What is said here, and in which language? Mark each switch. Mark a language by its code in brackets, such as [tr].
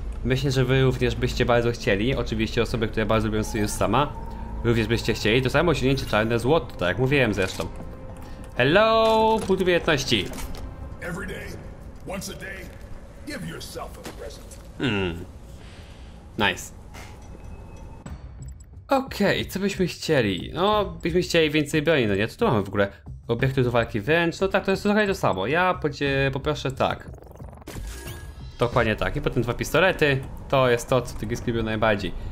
[pl] Myślę, że wy również byście bardzo chcieli, oczywiście osoby, które bardzo lubią Sirius sama, również byście chcieli. To samo osiągnięcie czarne złoto, tak jak mówiłem zresztą. Hello, punkt umiejętności. [en] Every day, once a day, give yourself a present. Nice. [pl] Okej, okay, co byśmy chcieli? No, byśmy chcieli więcej broni, no nie? Co tu mamy w ogóle? Obiekty do walki wręcz? No tak, to jest trochę to samo. Ja poproszę tak. Dokładnie tak. I potem dwa pistolety. To jest to, co Tygryski lubił najbardziej.